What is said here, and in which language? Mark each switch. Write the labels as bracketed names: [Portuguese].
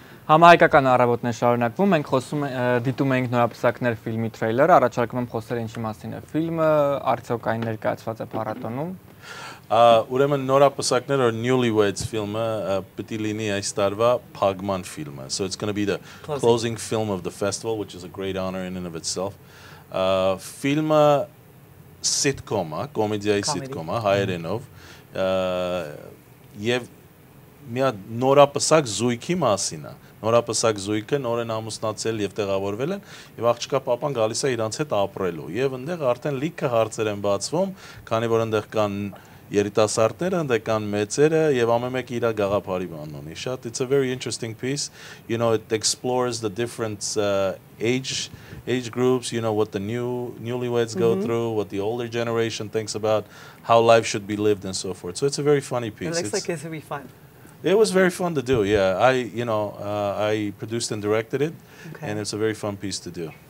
[Armenian] Համահայկական առավոտներ շարունակվում, մենք խոսում ենք դիտում ենք նորապսակներ ֆիլմի տրեյլերը, առաջարկում եմ խոսել ինչի մասին է ֆիլմը, արդյոք այն ներկայացված է փառատոնում։ Ուրեմն նորապսակները Newlyweds ֆիլմը պիտի լինի այս տարվա Pagman ֆիլմը. [English] So it's going to be the closing film of the festival, which is a great honor in and of itself. [Armenian] Ֆիլմը sitcom-ա, կոմեդիայի sitcom-ա, հայերենով։ Եվ մի հատ նորապսակ զույգի մասին է։ Նորապսակ զույգը նորեն ամուսնացել եւ տեղավորվել են եւ աղջկա պապան գալիս է իրանց հետ ապրելու եւ այնտեղ արդեն լիքը հարցեր են բացվում, քանի որ այնտեղ կան երիտասարդներ, այնտեղ կան մեծերը եւ ամեն մեկը իր գաղափարի բան ունի։ Շատ [English] it's a very interesting piece. You know, it explores the different age groups, you know, what the newlyweds go through, what the older generation thinks about how life should be lived and so forth. So it's a very funny piece. It looks like it's going to be fun. It was very fun to do. Yeah, I, you know, I produced and directed it, and it's a very fun piece to do.